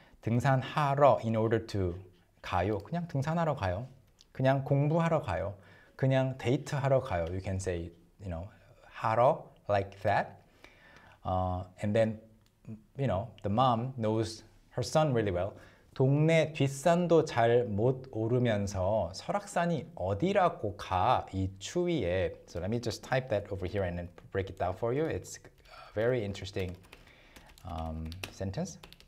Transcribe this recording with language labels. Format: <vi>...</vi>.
<ko>등산하러,</ko> <en>in order to,</en> <ko>가요. 그냥 등산하러 가요. 그냥 공부하러 가요. 그냥 데이트하러 가요.</ko> <en>You can say, you know, 하러, like that. And then, you know, the mom knows her son really well.</en> <ko>동네 뒷산도 잘 못 오르면서 설악산이 어디라고 가, 이 추위에.</ko> <en>So let me just type that over here and then break it down for you. It's a very interesting sentence.</en>